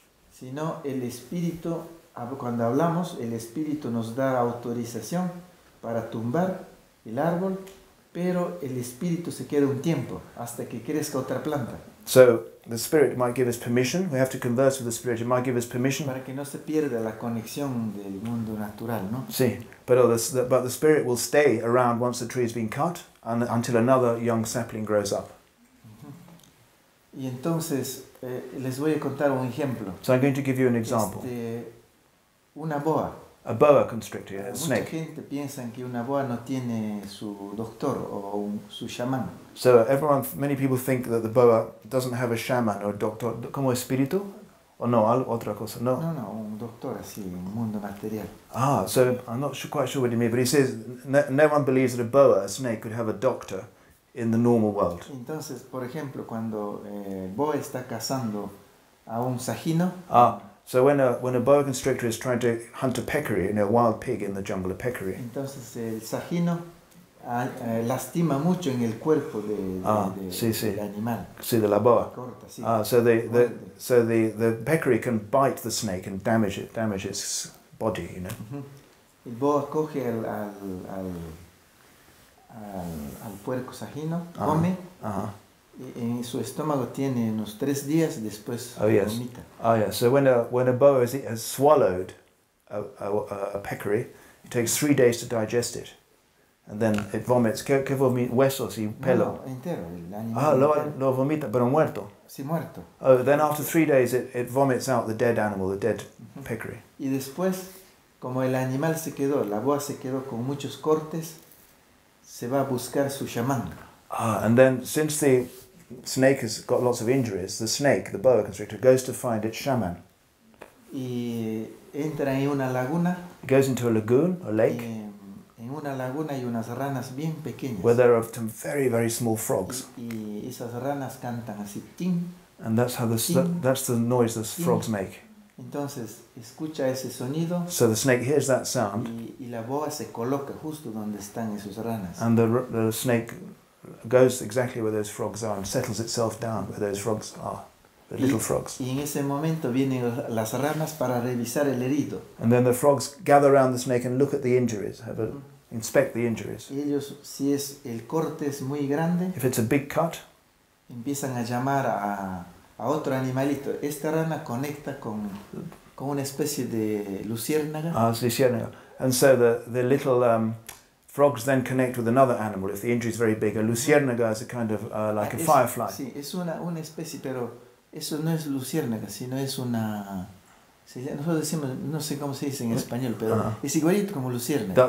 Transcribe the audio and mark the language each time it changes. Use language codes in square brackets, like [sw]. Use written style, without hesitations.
[es] Sino el espíritu, cuando hablamos, el espíritu nos da autorización para tumbar el árbol, pero el espíritu se queda un tiempo hasta que crezca otra planta. [en] So the spirit might give us permission. We have to converse with the spirit. It might give us permission. [es] Para que no se pierda la conexión del mundo natural, ¿no? [en] Sí, but the spirit will stay around once the tree has been cut and until another young sapling grows up. [es] Y entonces les voy a contar un ejemplo. [en] So I'm going to give you an example. [es] Una boa. [en] A boa constrictor, a snake. [es] Mucha gente piensa que una boa no tiene su doctor o su chamán. [en] So everyone, many people think that the boa doesn't have a shaman or doctor, [es] como espíritu, [en] or no, [es] otra cosa, no. No, un doctor así, un mundo material. [en] Ah, so I'm not quite sure what he means, but he says no one believes that a boa, a snake, could have a doctor in the normal world. [es] Entonces, por ejemplo, cuando boa está cazando a un sajino. Ah. [en] So when a boa constrictor is trying to hunt a peccary, you know, a wild pig in the jungle, a peccary. [es] Entonces el sajino lastima mucho en el cuerpo del animal. Sí, de la boa. Corta, sí. [en] So the peccary can bite the snake and damage its body, you know. Uh-huh. [es] El boa coge al puerco sajino, come. Uh-huh. En su estómago tiene unos 3 días después vomita. Oh yeah. [en] So when a boa has swallowed a peccary, it takes 3 days to digest it, and then it vomits. [es] ¿Qué vomita? Huesos y pelo. No, entero, el animal. Ah, lo vomita, pero muerto. Sí, muerto. [en] Oh, then after 3 days, it vomits out the dead animal, the dead peccary. [es] Y después, como el animal se quedó, la boa se quedó con muchos cortes, se va a buscar su chamán. [en] And then, since the snake has got lots of injuries, the snake, the boa constrictor, goes to find its shaman. [es] Y entra en una laguna. [en] It goes into a lagoon, a lake. [es] En una laguna hay unas ranas bien pequeñas. [en] Where there are some very, very small frogs. [es] Y esas ranas cantan así, ting. [en] And that's how that's the noise the frogs make. [es] Entonces, escucha ese sonido. [en] So the snake hears that sound. [es] Y la boa se coloca justo donde están esas ranas. [en] And the snake goes exactly where those frogs are and settles itself down where those frogs are, the little frogs. [es] Y en ese momento vienen las ranas para revisar el herido. [en] And then the frogs gather around the snake and look at the injuries, inspect the injuries. [es] Y ellos, si es el corte es muy grande, [en] if it's a big cut, [es] empiezan a llamar a otro animalito. Esta rana conecta con una especie de luciérnaga. Ah, sí, luciérnaga. [en] And so the little frogs then connect with another animal if the injury is very big. A luciérnaga is a kind of like a firefly. [es] Sí, es una especie, pero eso no es luciérnaga, sino es una. Nosotros decimos, no sé cómo se dice en español, pero es igualito como luciérnaga.